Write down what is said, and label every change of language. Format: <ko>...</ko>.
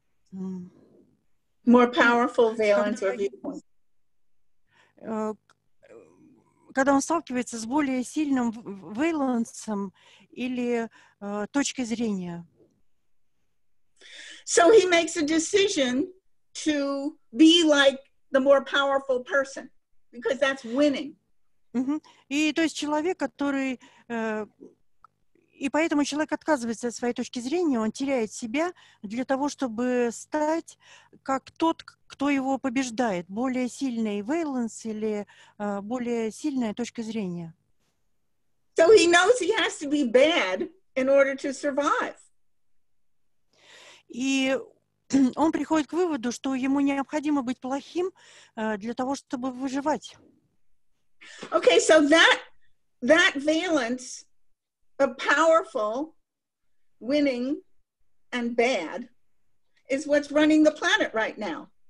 <en>More powerful valence or viewpoint.</en> <ru>Когда он сталкивается с более сильным вейлансом или точкой зрения.</ru> <en>So he makes a decision to be like the more powerful person, because that's winning. Mm-hmm.</en> <ru>И то есть человек, который... И поэтому человек отказывается от своей точки зрения, он теряет себя для того, чтобы стать как тот, кто его побеждает, более сильный вейланс или более сильная точка зрения.</ru> <en>So he knows he has to be bad in order to survive.</en> <ru>И он приходит к выводу, что ему необходимо быть плохим для того, чтобы выживать.</ru> <en>Okay, so that valence of powerful, winning, and bad is what's running the planet right now.</en>